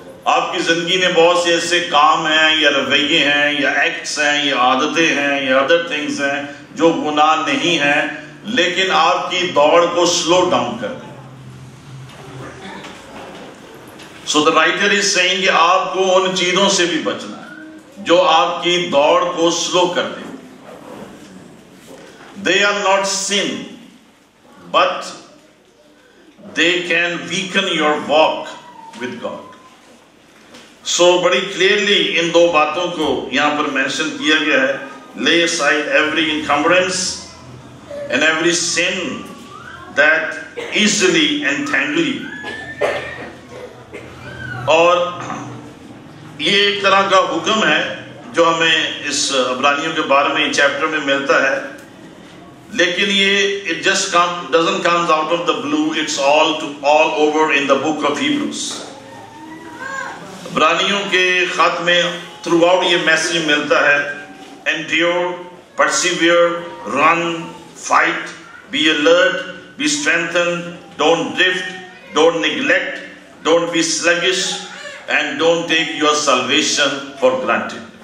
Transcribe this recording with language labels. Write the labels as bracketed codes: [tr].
[ur] آپ کی زندگی میں بہت سے ایسے کام ہیں یا رویے ہیں یا ایکٹس ہیں یا عادتیں ہیں یا [en] other things [ur] ہیں جو گناہ نہیں ہیں, لیکن آپ کی دوڑ کو سلو ڈاؤن کر دیں. [en] So the writer is saying [ur] کہ آپ کو ان چیزوں سے بھی بچنا ہے جو آپ کی دوڑ کو سلو کر دیں. [en] They are not sin, but they can weaken your walk with God. So very clearly [ur] ان دو باتوں کو یہاں پر mention کیا گیا ہے. [en] Lay aside every encumbrance and every sin that easily entangle you. [ur] اور یہ ایک طرح کا حکم ہے جو ہمیں اس عبرانیوں کے بارے میں چیپٹر میں ملتا ہے, لیکن یہ [en] it just doesn't comes out of the blue, it's all over in the book of Hebrews. [ur] عبرانیوں کے خط میں throughout یہ میسج ملتا ہے. [en] Endure, persevere, run, fight, be alert, be strengthened, don't drift, don't neglect, don't be sluggish, and don't take your salvation for granted.